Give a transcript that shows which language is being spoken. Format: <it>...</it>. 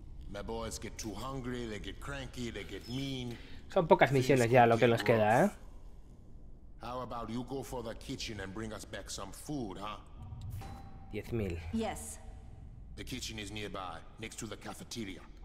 <en>My boys get too hungry, they get cranky, they get mean.</en> <es>Son pocas misiones ya lo que nos queda, ¿eh?</es> <en>How about you go for the kitchen and bring us back some food, huh? 10,000. Yes. The kitchen is nearby, next to the cafeteria.</en>